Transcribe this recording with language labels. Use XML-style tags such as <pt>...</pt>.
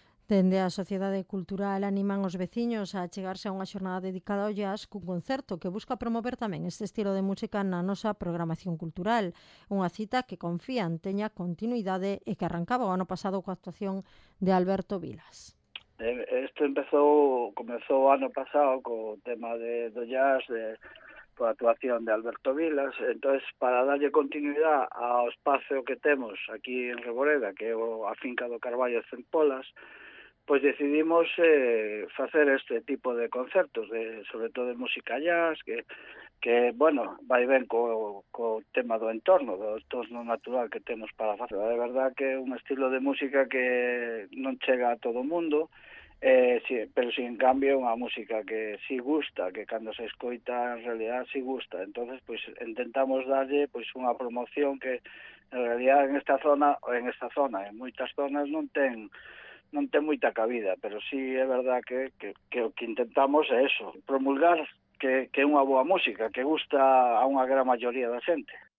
<gl>Dende a Sociedade Cultural animan os veciños a chegarse a unha xornada dedicada ao jazz cun concerto que busca promover tamén este estilo de música na nosa programación cultural. Unha cita que confían teña continuidade e que arrancaba o ano pasado coa actuación de Alberto Vilas.</gl> <es>Esto comenzó año pasado con el tema de do jazz, de la actuación de Alberto Vilas. Entonces, para darle continuidad al espacio que tenemos aquí en Revoreda, que es la finca do Carballo Cempolas, pues decidimos hacer este tipo de conciertos, de, sobre todo de música jazz, que bueno, va y ven con el tema del entorno natural que tenemos para hacer. De verdad que es un estilo de música que no llega a todo el mundo, sí, pero sin cambio una música que sí gusta, que cuando se escucha en realidad sí gusta. Entonces, pues intentamos darle pues una promoción que en realidad en esta zona, en muchas zonas</es> <gl>no ten moita cabida, pero sí é verdad que o que intentamos é eso, promulgar que é unha boa música, que gusta a unha gran maioría da xente.</gl>